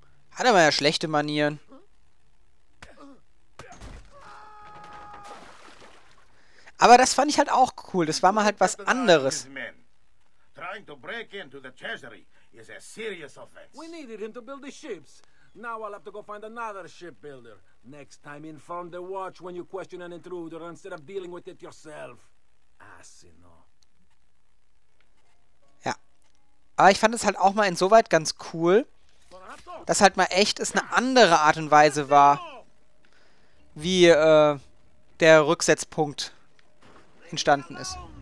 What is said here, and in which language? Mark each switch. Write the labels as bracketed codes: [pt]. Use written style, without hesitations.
[de] Hat aber ja schlechte Manieren. Aber das fand ich halt auch cool. Das war mal halt was anderes. [en] Trying to break into the treasury is a serious offense. We needed him to build the ships. Now I'll have to go find another shipbuilder. Next time inform the watch when you question an intruder instead of dealing with it yourself. Asino. [de] Ja. Aber ich fand es halt auch mal insoweit ganz cool, dass halt mal echt es eine andere Art und Weise war, wie der Rücksetzpunkt entstanden ist.